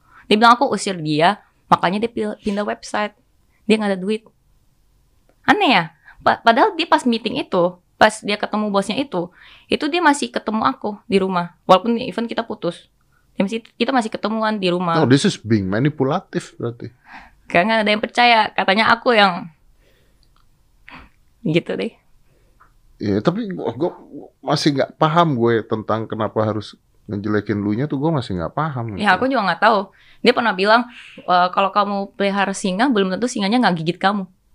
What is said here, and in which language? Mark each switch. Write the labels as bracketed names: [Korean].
[Indonesian] Dia bilang aku usir dia, makanya dia pindah website. Dia nggak ada duit. Aneh ya? Padahal dia pas meeting itu, pas dia ketemu bosnya itu dia masih ketemu aku di rumah. Walaupun even kita putus. Kita masih ketemuan di rumah. [English] Oh, this is being manipulative berarti. [Indonesian] Kayak nggak ada yang percaya. Katanya aku yang... gitu deh. Ya, tapi gue masih nggak paham gue tentang kenapa harus ngejelekin lu nya tuh gue masih nggak paham. Ya aku juga nggak tahu. Dia pernah bilang kalau kamu pelihara singa belum tentu singanya nggak gigit kamu.